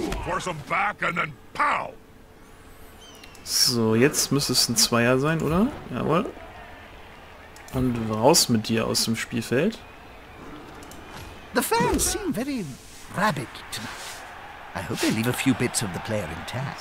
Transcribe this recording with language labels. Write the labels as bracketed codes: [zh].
[en] Force him back and then pow. [de] So, jetzt müsste es ein Zweier sein, oder? Jawohl. Und raus mit dir aus dem Spielfeld. [en] The fans seem very rabid tonight. I hope they leave a few bits of the player intact.